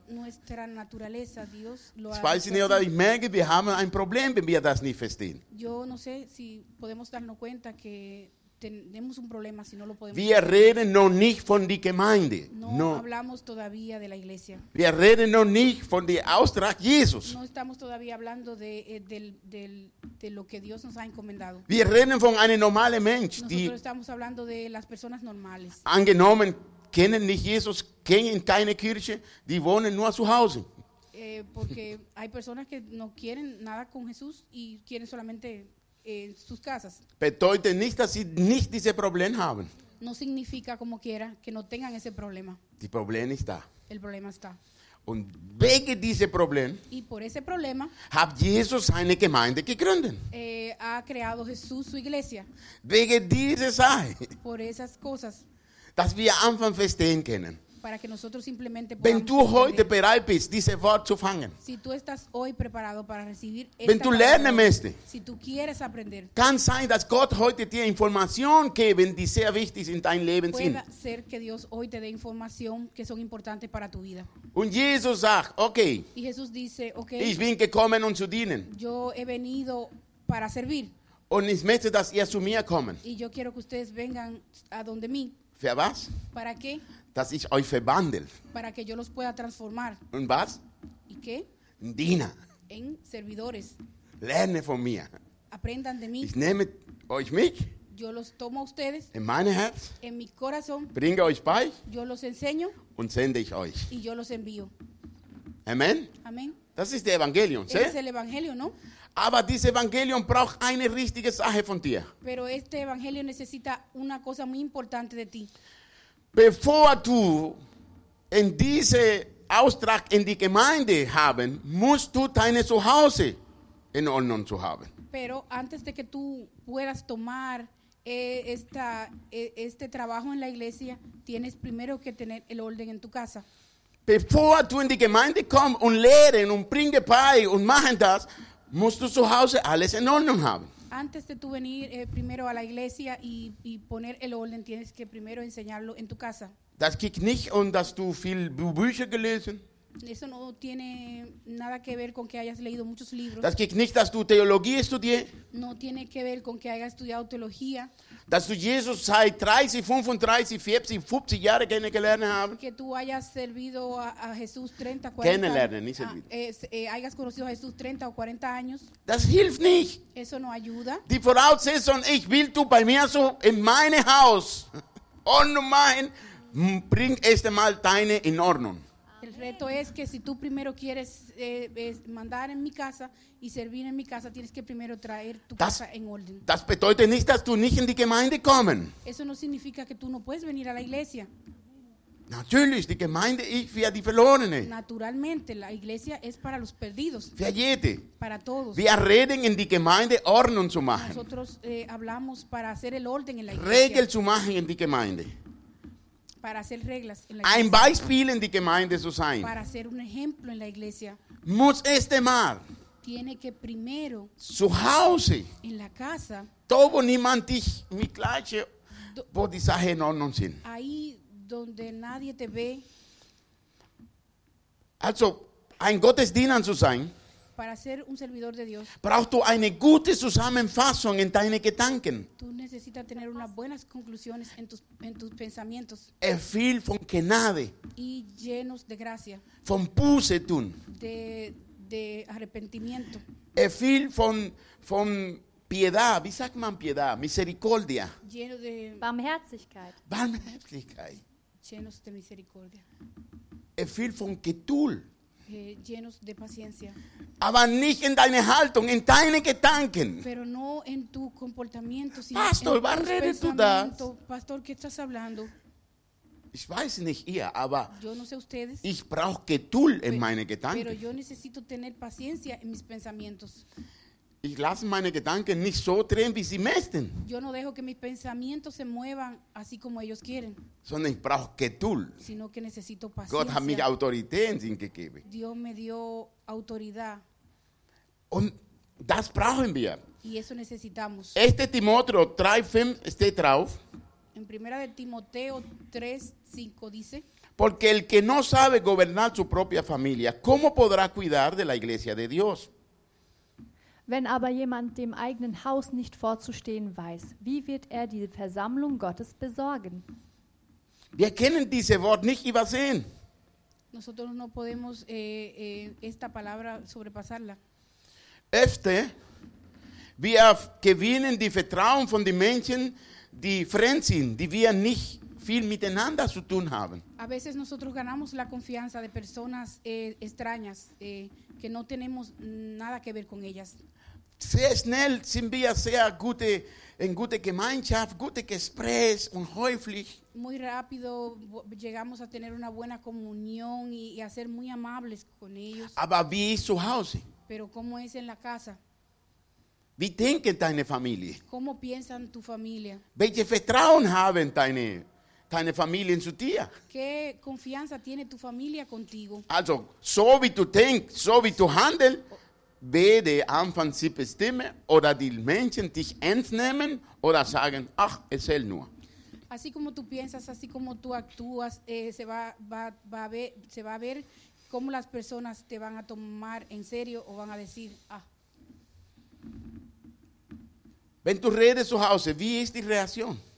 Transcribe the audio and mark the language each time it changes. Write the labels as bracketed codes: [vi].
[es] Es nuestra naturaleza, Dios lo ha hecho. [de] Ich merke, wir haben ein Problem, wenn wir das nicht verstehen. [es] Yo no sé si podemos darnos cuenta que tenemos un problema si no lo podemos. [de] Wir reden noch nicht von die Gemeinde. [es] No hablamos todavía de la iglesia. [de] Wir reden noch nicht von die Auftrag Jesus. [es] No estamos todavía hablando de lo que Dios nos ha encomendado. [de] Wir reden von einem normalen Mensch. [es] Nosotros estamos hablando de las personas normales. [de] Angenommen, kennen nicht Jesus, kennen keine Kirche, die wohnen nur zu Hause. [es] Porque hay personas que no quieren nada con Jesús y quieren solamente en sus casas. [de] Bedeutet nicht, dass sie nicht diese Problem haben. [es] No significa como quiera que no tengan ese problema. [de] Die Problem ist da. [es] El problema está. [de] Und wegen diesem Problem. [es] Y por ese problema. [de] Hat Jesus seine Gemeinde gegründet. [es] Ha creado Jesús su iglesia. [de] Wegen dieser Sache. [es] Por esas cosas. [de] Dass wir anfangen verstehen können. [es] Para que nosotros simplemente podamos. [de] Wenn du heute bereit bist, diese Wort zu fangen. [es] Si tú estás hoy preparado para recibir esta. [de] Wenn du lernen möchtest. [es] Si tú quieres aprender. [de] Kann sein, dass Gott heute dir Informationen geben, die sehr wichtig in dein Leben sind. [es] Puede ser que Dios hoy te dé información que son importantes para tu vida. [de] Und Jesus sagt, okay. [es] Y Jesús dice, okay. [de] Ich bin gekommen, um zu dienen. [es] Yo he venido para servir. [de] Und ich möchte, dass ihr zu mir kommen. [es] Y yo quiero que ustedes vengan a donde mí. [de] Für was? [es] Para qué? [de] Dass ich euch verwandle. [es] Para que yo los pueda transformar. [de] Und was? [es] ¿Y qué? [de] Diener. [es] En servidores. [de] Lerne von mir. [es] Aprendan de mí. [de] Ich nehme euch mit. [es] Yo los tomo a ustedes. [de] In mein Herz. [es] En mi corazón. [de] Bringe euch bei. [es] Yo los enseño. [de] Und sende ich euch. [es] Y yo los envío. [de] Amen. [es] Amen. [de] Das ist der Evangelium, sieh? [es] Es el evangelio, ¿no? [de] Aber dieses Evangelium braucht eine richtige Sache von dir. [es] Pero este evangelio necesita una cosa muy importante de ti. [de] Bevor du in diese Auftrag in die Gemeinde haben, musst du deine Zuhause in Ordnung zu haben. [es] Pero antes de que tú puedas tomar este trabajo en la iglesia, tienes primero que tener el orden en tu casa. [de] Bevor du in die Gemeinde kommst und lehren und bringen bei und machen das, musst du zu Hause alles in Ordnung haben. [es] Antes de tu venir primero a la iglesia y poner el orden, tienes que primero enseñarlo en tu casa. [de] Das geht nicht um, dass du viel Bücher gelesen. [es] Eso no tiene nada que ver con que hayas leído muchos libros. [de] Das geht nicht, dass du Theologie studierst. [es] No tiene que ver con que hayas estudiado teología. [de] Dass du Jesus seit 30, 35, 40, 50 Jahre kennengelernt hast. [es] Que tú hayas servido a Jesús 30, 40. [de] Kennenlernen, nicht servido. [es] Hayas conocido a Jesús 30 o 40 años. [de] Das hilft nicht. [es] Eso no ayuda. [de] Die Voraussetzung, ich will du bei mir so in meinem Haus und mein, bring erst einmal deine in Ordnung. [es] El reto es que si tú primero quieres mandar en mi casa y servir en mi casa, tienes que primero traer tu casa en orden. [de] Das bedeutet nicht, dass du nicht in die Gemeinde kommen. [es] Eso no significa que tú no puedes venir a la iglesia. [de] Natürlich, die Gemeinde ist für die Verlorenen. [es] Naturalmente, la iglesia es para los perdidos. [de] Für jede. [es] Para todos. [de] Wir reden in die Gemeinde Ordnung zu machen. [es] Nosotros hablamos para hacer el orden en la iglesia. [de] Regel zu machen in die Gemeinde. [es] Para hacer reglas en la iglesia. [de] Ein Beispiel in die Gemeinde zu sein. [es] Para hacer un ejemplo en la iglesia. [de] Muss [es] este mal. Tiene que primero. [de] Zu Hause. [es] En la casa. Todo [de] niemand dich mit gleiche, wo die Sache in Ordnung sind. [es] Ahí donde nadie te ve. [de] Also, ein Gottesdiener zu sein. [es] Para ser un servidor de Dios. [de] Brauchst du eine gute Zusammenfassung in deine Gedanken. [es] Tú necesitas tener unas buenas conclusiones en tus pensamientos. [de] Erfüllt von Gnade. [es] Y llenos de gracia. [de] Von Buße tun. [es] De arrepentimiento. [de] Erfüllt von Piedad. Wie sagt man Piedad? Misericordia. [es] Lleno de [de] Barmherzigkeit. Barmherzigkeit. [es] Llenos de misericordia. [de] Erfüllt von Geduld. [es] Llenos de paciencia. [de] Aber nicht in deine Haltung, in deine Gedanken. [es] Pero no en tu comportamiento, sino Pastor, en tus pensamientos. Pastor, ¿qué estás hablando? [de] Ich weiß nicht ihr, aber [es] yo no sé ustedes. [de] Ich brauche Geduld in meine Gedanken. [es] Pero yo necesito tener paciencia en mis pensamientos. [de] Ich lasse meine Gedanken nicht so drehen, wie sie möchten. [es] Yo no dejo que mis pensamientos se muevan así como ellos quieren. [de] Sondern ich brauche Geduld. [es] Sino que necesito paciencia. [de] Gott hat mich Autorität gegeben. [es] Dios me dio autoridad. [de] Und das brauchen wir. [es] Y eso necesitamos. [de] Este Timoteo 3:5 steht drauf. [es] En primera de Timoteo 3:5 dice. Porque el que no sabe gobernar su propia familia, ¿cómo podrá cuidar de la iglesia de Dios? [de] Wenn aber jemand dem eigenen Haus nicht vorzustehen weiß, wie wird er die Versammlung Gottes besorgen? [es] Wir können dieses Wort nicht übersehen. Nosotros no podemos esta palabra sobrepasarla. [de] Öfter, wir gewinnen die Vertrauen von den Menschen, die fremd sind, die wir nicht viel miteinander zu tun haben. [es] A veces nosotros ganamos la confianza de personas extrañas, que no tenemos nada que ver con ellas. [de] Sehr schnell sind wir sehr gute, in gute Gemeinschaft, gute Gespräch und häufig. [es] Muy rápido llegamos a tener una buena comunión y a ser muy amables con ellos. [de] Aber wie ist zu Hause? [es] Pero ¿cómo es en la casa? [de] Wie denken deine Familie? [es] ¿Cómo piensan tu familia? [de] Welche Vertrauen haben deine Familie zu dir? [es] ¿Qué confianza tiene tu familia contigo? [de] Also, so wie du denkst, so wie du handelst, werde Anfang sie bestimmen oder die Menschen dich ernst nehmen oder sagen, ach, es hält nur. [es] Así como tú piensas, así como tú actúas, se va a ver cómo las personas te van a tomar en serio o van a decir, ah. [de] Wenn du redest zu Hause, wie ist die Reaktion?